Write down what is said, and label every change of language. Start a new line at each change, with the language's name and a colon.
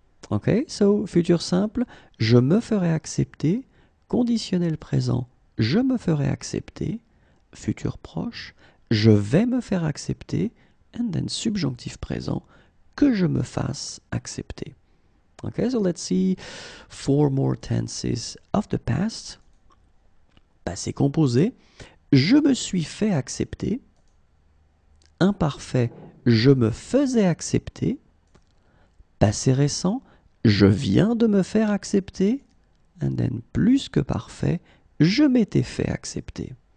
English: Okay, so
French: futur simple, je me ferai accepter. Conditionnel présent, je me ferai accepter. Futur proche, je vais me faire accepter.
English: And then
French: subjonctif présent, que je me fasse accepter.
English: Okay, so let's see four more tenses of the past.
French: Passé composé, je me suis fait accepter. Imparfait, je me faisais accepter. Passé récent, je viens de me faire accepter.
English: And then
French: plus que parfait, je m'étais fait accepter.